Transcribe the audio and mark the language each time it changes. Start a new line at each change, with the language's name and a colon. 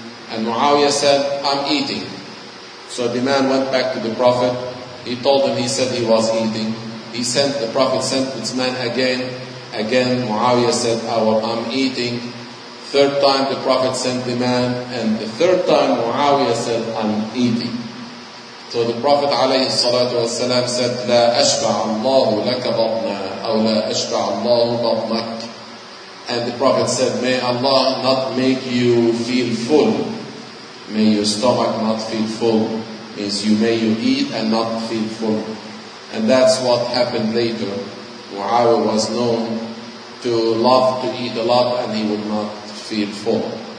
English: And Muawiyah said, "I'm eating." So the man went back to the Prophet. He told him, he said he was eating. The Prophet sent this man again. Again, Muawiyah said, "I'm eating." third time the Prophet sent the man, and the third time Muawiyah said, I'm eating. So the Prophet
Arabic: عليه الصلاة والسلام
English: said,
Arabic: لا أشبع الله لك بطنا أو لا أشبع الله بطنك.
English: And the Prophet said, may Allah not make you feel full. May your stomach not feel full. Means you may you eat and not feel full. And that's what happened later. Muawiyah was known to love to eat a lot and he would not feel full.